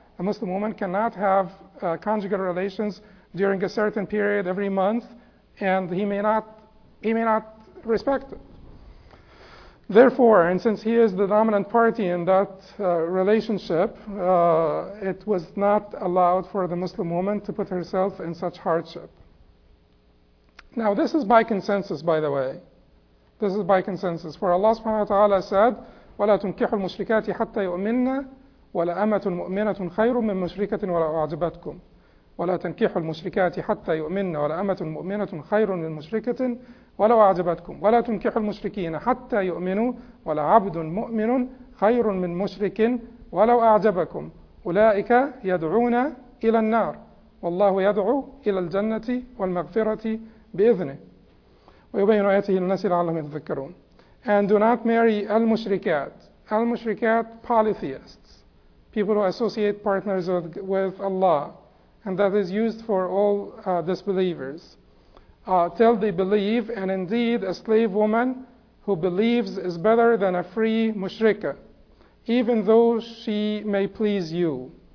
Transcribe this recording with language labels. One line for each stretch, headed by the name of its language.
English: A Muslim woman cannot have conjugal relations during a certain period every month, and he may not respect it. Therefore, and since he is the dominant party in that relationship, it was not allowed for the Muslim woman to put herself in such hardship. Now, this is by consensus, by the way. This is by consensus. For Allah subhanahu wa ta'ala said,
Arabic: وَلَا تُنْكِحُ الْمُشْرِكَاتِ حَتَّى يُؤْمِنَّ وَلَا أَمَةٌ مُؤْمِنَةٌ خَيْرٌ مِّن مُشْرِكَةٍ وَلَا أُعْجِبَتْكُمْ وَلَا تَنْكِحُ الْمُشْرِكَاتِ حَتَّى يُؤْمِنَّ وَلَا أَمَةٌ مُؤْمِنَةٌ خَيْرٌ مِّن مُشْرِكَةٍ وَلَا أُعْجِبَتْكُمْ وَلَا تُنْكِحُ الْمُشْرِكِينَ حَتَّى يُؤْمِنُوا وَلَا عَبْدٌ مُؤْمِنٌ خَيْرٌ مِّن مُشْرِكٍ وَلَوْ أَعْجَبَكُمْ أُولَئِكَ يَدْعُونَ إِلَى النَّارِ وَاللَّهُ يَدْعُو إِلَى الْجَنَّةِ وَالْمَغْفِرَةِ بِإِذْنِهِ وَيُبَيِّنُ آيَاتِهِ لِلنَّاسِ لَعَلَّهُمْ يَتَذَكَّرُونَ.
English: And do not marry al-mushrikat. Al-mushrikat, polytheists, people who associate partners with Allah, and that is used for all disbelievers, till they believe, and indeed a slave woman who believes is better than a free mushrika, even though she may please you,